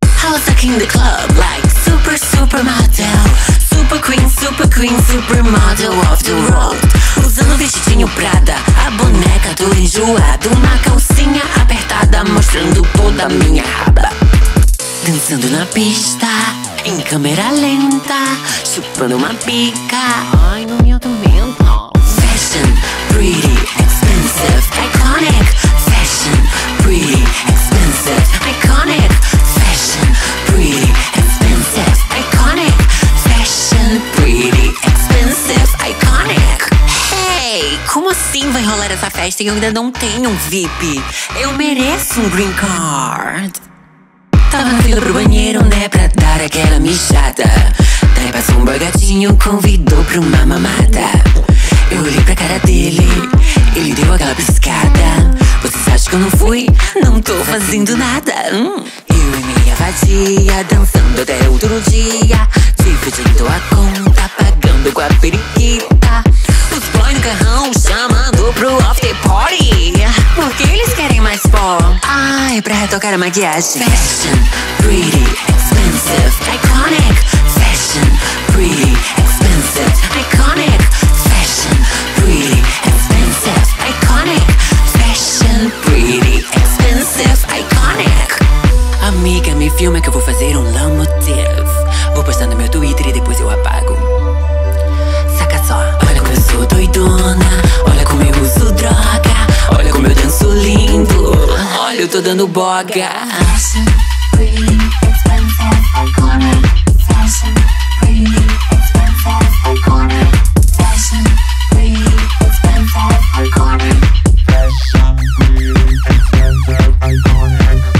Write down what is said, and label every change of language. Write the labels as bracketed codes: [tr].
[en] was looking the club like super, super model. Super queen, super queen, super model of the world. [pt] Usando vestidinho Prada, a boneca do enjoado. Uma calcinha apertada, mostrando toda a minha raba. Dançando na pista, em câmera lenta, chupando uma pica. Ai, no meu tormento. [en] Fashion, pretty, expensive, iconic. Fashion, pretty, expensive, iconic. Fashion, pretty, expensive, iconic. Fashion, pretty, expensive, iconic. [pt] Hey, como assim vai rolar essa festa e eu ainda não tenho um VIP? Eu mereço um green card. Tava na fila pro banheiro, né, pra dar aquela mijada. Daí passou um bagatinho, convidou pra uma mamada. Eu olhei pra cara dele, ele deu aquela piscada. Vocês acham que eu não fui? Não tô fazendo nada. Eu e minha vadia, dançando até outro dia. Dividindo a conta, pagando com a periquita. Os boys no carrão, chamando pro after party. Por que eles querem mais pó? Ah, é pra retocar a maquiagem. [en] Fashion, pretty, expensive, iconic. Fashion, pretty, expensive, iconic. Fashion, pretty, expensive, iconic. Fashion, pretty, expensive, iconic. [pt] Amiga, me filma que eu vou fazer um lamotif. Vou postar no meu Twitter e depois eu apago. Saca só. Olha como eu sou doidona. Olha como eu uso droga. Olha como eu danço lindo. Olha, eu tô dando boga. [en] Fashion, pretty, expensive, iconic. Fashion, pretty, expensive, iconic. Fashion, pretty, expensive, iconic. Fashion, pretty, expensive, iconic.